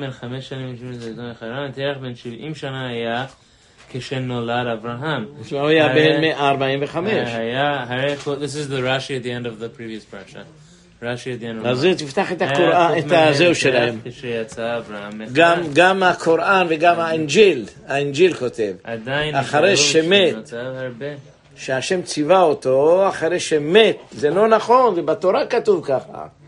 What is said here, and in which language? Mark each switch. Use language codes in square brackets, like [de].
[he] ואברהם בן 5 שנים, תרח בן 70 שנה היה כשנולד אברהם. הוא היה בן 45. [en] This is the Rashi at the end of the previous parasha. Rashi at the end of the... [he] אז זה תפתח את הקוראן, את הזהו שלהם. כשיצא אברהם. גם הקוראן וגם האנג'יל, האנג'יל כותב. עדיין. אחרי שמת. נוצר הרבה. שהשם ציווה אותו אחרי שמת, זה לא נכון, זה בתורה כתוב ככה.